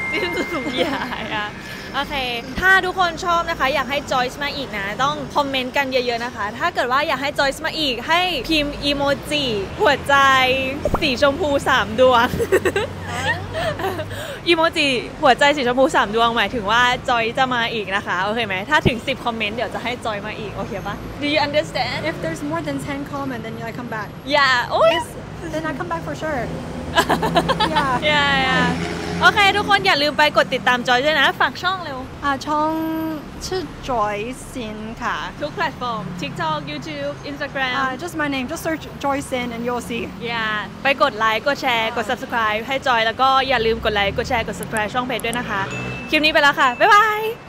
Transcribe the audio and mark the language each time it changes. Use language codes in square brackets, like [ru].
[th] จิ้มจุ่มยาอ่ะโอเคถ้าทุกคนชอบนะคะอยากให้จอยส์มาอีกนะต้องคอมเมนต์กันเยอะๆนะคะถ้าเกิดว่าอยากให้จอยส์มาอีกให้พิมพ์อีโมจิหัวใจสีชมพู3ดวง อีโมจิหัวใจสีชมพู3ดวงหมายถึงว่าจอยจะมาอีกนะคะโอเคไหมถ้าถึง10คอมเมนต์เดี๋ยวจะให้จอยมาอีกโอเคป่ะ [en] Do you understand If there's more than 10 comment then I come back Yeah always then I come back for sure [th] yeah โอเคทุกคนอย่าลืมไปกดติดตามจอยด้วยนะฝากช่องเร็ว ช่องชื่อจอยซินค่ะ ทุกแพลตฟอร์ม TikTok YouTube Instagram [en] just my name just search Joy Sin and you'll see [th] yeah ไปกดไลค์กดแชร์กด subscribe ให้จอยแล้วก็อย่าลืมกดไลค์กดแชร์กด subscribe ช่องเพจด้วยนะคะคลิปนี้ไปแล้วค่ะบ๊ายบาย